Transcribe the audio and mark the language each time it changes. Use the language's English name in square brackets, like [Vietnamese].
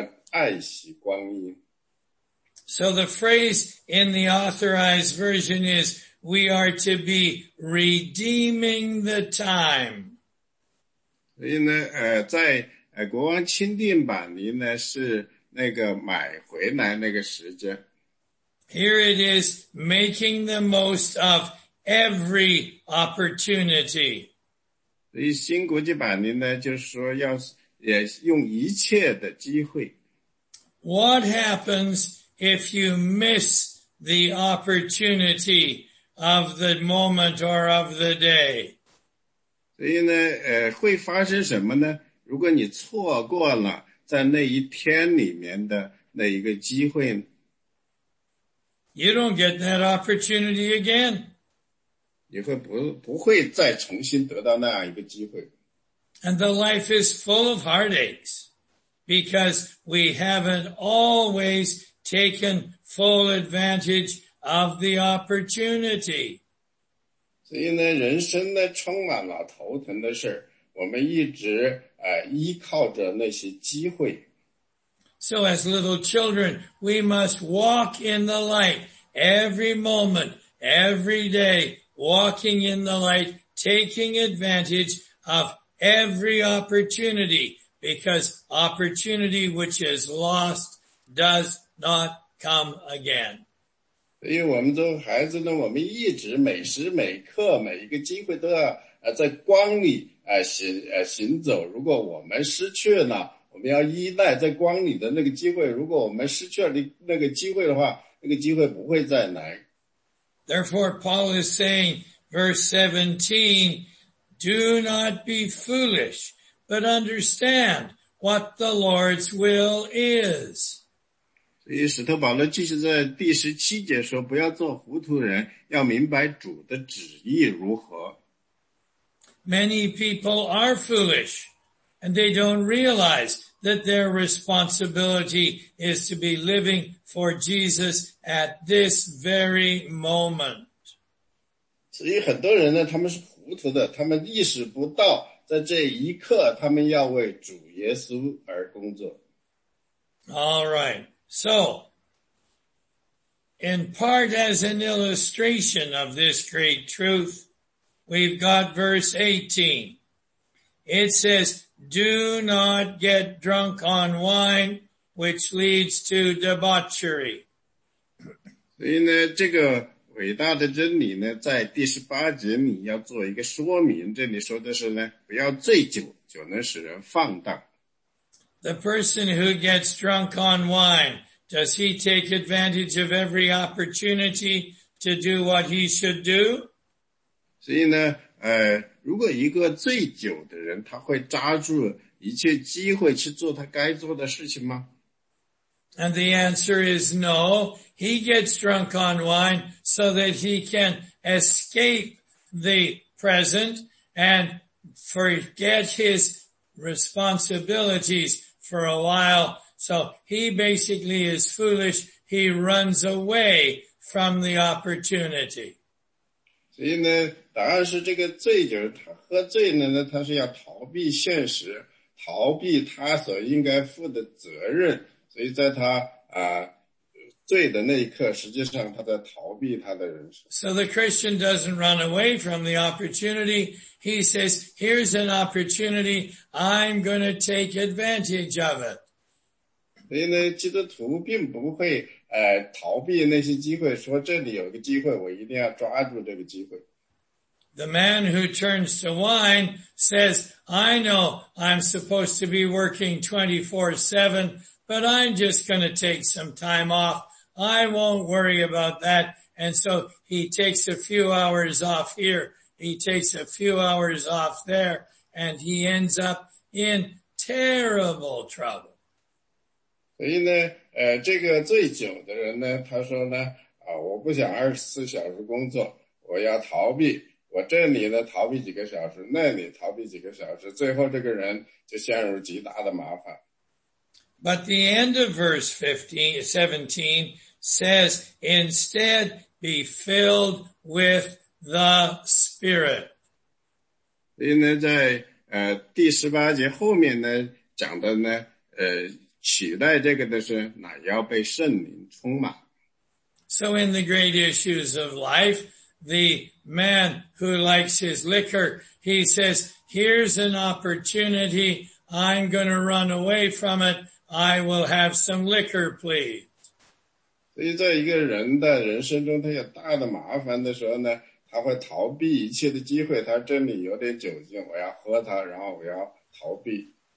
[Chinese] 所以呢，我们呢是要仰望主耶稣每一个时间、每一种方式、每一个时候，因为这个世代是邪恶的，所以呢，我们要爱惜光阴。 [English] So the phrase in the authorized version is, we are to be redeeming the time. [Chinese] 所以呢，在国王钦定版里呢，是那个买回来那个时间。 [English] Here it is, making the most of every opportunity. [Chinese] 所以新国际版里呢，就是说要用一切的机会。 [English] What happens if you miss the opportunity of the moment or of the day. [Chinese] 所以呢，会发生什么呢？如果你错过了在那一天里面的那一个机会呢？ [English] You don't get that opportunity again. [Chinese] 你会不会再重新得到那样一个机会？ [English] And the life is full of heartaches because we haven't always taken full advantage of the opportunity. [Chinese] 所以呢，人生呢充满了头疼的事，我们一直依靠着那些机会。 [English] So as little children, we must walk in the light every moment, every day, walking in the light, taking advantage of every opportunity, because opportunity which is lost does not come again. [Chinese] 所以我们做孩子呢，我们一直每时每刻每一个机会都要在光里行走。如果我们失去了，我们要依赖在光里的那个机会。如果我们失去了那个机会的话，那个机会不会再来。 [English] Therefore, Paul is saying, verse 17, do not be foolish, but understand what the Lord's will is. [Chinese] 所以使徒保罗继续在第十七节说，不要做糊涂人，要明白主的旨意如何。 [English] Many people are foolish. And they don't realize that their responsibility is to be living for Jesus at this very moment. [Chinese] 所以很多人呢，他们是糊涂的，他们意识不到在这一刻他们要为主耶稣而工作。 [English] All right. So, in part as an illustration of this great truth, we've got verse 18. It says,Do not get drunk on wine, which leads to debauchery. [Chinese] 所以呢，这个伟大的真理呢，在第十八节里要做一个说明。这里说的是呢，不要醉酒，酒能使人放荡。 [English] The person who gets drunk on wine, does he take advantage of every opportunity to do what he should do? [Chinese] 所以呢，如果一个醉酒的人，他会抓住一切机会去做他该做的事情吗？ [English] And the answer is no. He gets drunk on wine so that he can escape the present and forget his responsibilities for a while. So he basically is foolish. He runs away from the opportunity. [Chinese] 所以呢答案是这个醉酒，他喝醉了呢，他是要逃避现实，逃避他所应该负的责任。所以在他醉的那一刻，实际上他在逃避他的人生。 [English] So the Christian doesn't run away from the opportunity. He says, "Here's an opportunity. I'm going to take advantage of it." [Chinese] 所以呢，基督徒并不会逃避那些机会，说这里有个机会，我一定要抓住这个机会。 [English] The man who turns to wine says, I know I'm supposed to be working 24/7, but I'm just going to take some time off. I won't worry about that. And so he takes a few hours off here. He takes a few hours off there, and he ends up in terrible trouble. [Chinese] 所以呢，这个醉酒的人呢，他说呢，我不想24小时工作，我要逃避。我这里呢逃避几个小时，那里逃避几个小时，最后这个人就陷入极大的麻烦。 [English] But the end of verse 17 says, instead be filled with the Spirit. [Chinese] 所以呢在第十八节后面呢讲的呢取代这个的是乃要被圣灵充满。 [English] So in the great issues of life,The man who likes his liquor, he says, here's an opportunity, I'm going to run away from it, I will have some liquor, please. [Chinese] 所以在一个人的人生中他有大的麻烦的时候呢，他会逃避一切的机会，他这里有点酒精，我要喝它，然后我要逃避。